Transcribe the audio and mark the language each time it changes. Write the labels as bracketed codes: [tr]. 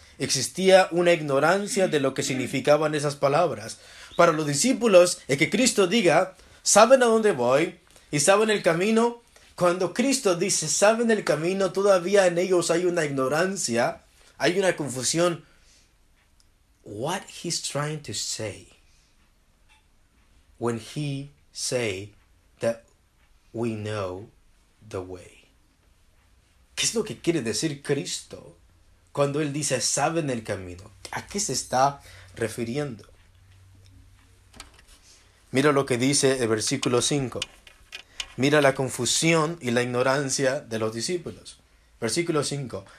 [es] Existía una ignorancia de lo que significaban esas palabras. Para los discípulos, el que Cristo diga, saben a dónde voy y saben el camino, Cuando Cristo dice, saben el camino, todavía en ellos hay una ignorancia, hay una confusión. [en] What he's trying to say when he say that we know the way. [es] ¿Qué es lo que quiere decir Cristo cuando él dice, saben el camino? ¿A qué se está refiriendo? Mira lo que dice el versículo 5. Mira la confusión y la ignorancia de los discípulos. Versículo 5.